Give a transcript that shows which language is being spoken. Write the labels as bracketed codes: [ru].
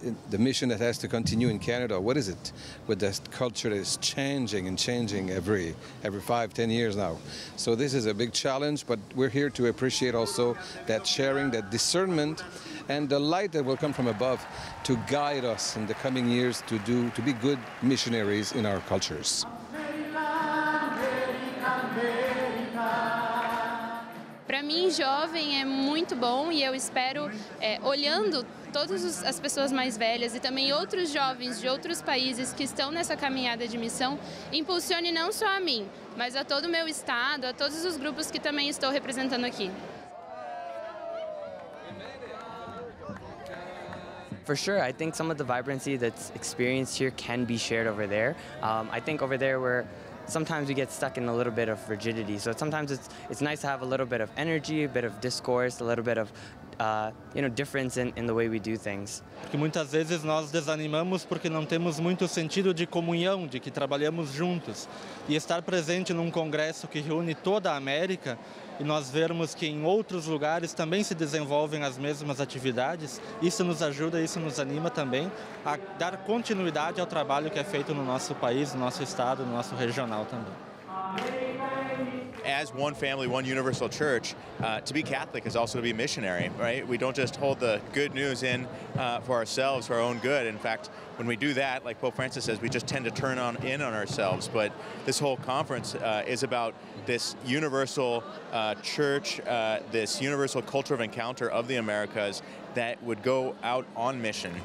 [en] the mission that has to continue in Canada? What is it with this culture that is changing and changing every 5-10 years now? So this is a big challenge, but we're here to appreciate also that sharing, that discernment, and the light that will come from above to guide us in the coming years to be good missionaries in our cultures. [pt] Para mim, jovem é muito bom e eu espero, olhando todas as pessoas mais velhas e também outros jovens de outros países que estão nessa caminhada de missão, impulsione não só a mim, mas a todo o meu estado, a todos os grupos que também estou representando aqui. [en] For sure, I think some of the vibrancy that's experienced here can be shared over there. I think over there we're sometimes we get stuck in a little bit of rigidity. So sometimes it's nice to have a little bit of energy, a bit of discourse, a little bit of difference in the way we do things. [pt] Porque muitas vezes nós desanimamos porque não temos muito sentido de comunhão, de que trabalhamos juntos. E estar presente num congresso que reúne toda a América e nós vermos que em outros lugares também se desenvolvem as mesmas atividades, isso nos ajuda, isso nos anima também a dar continuidade ao trabalho que é feito no nosso país, no nosso estado, no nosso regional também. [en] As one family, one universal church, to be Catholic is also to be missionary, right? We don't just hold the good news in for ourselves, for our own good. In fact, when we do that, like Pope Francis says, we just tend to turn in on ourselves. But this whole conference is about this universal church, this universal culture of encounter of the Americas that would go out on mission.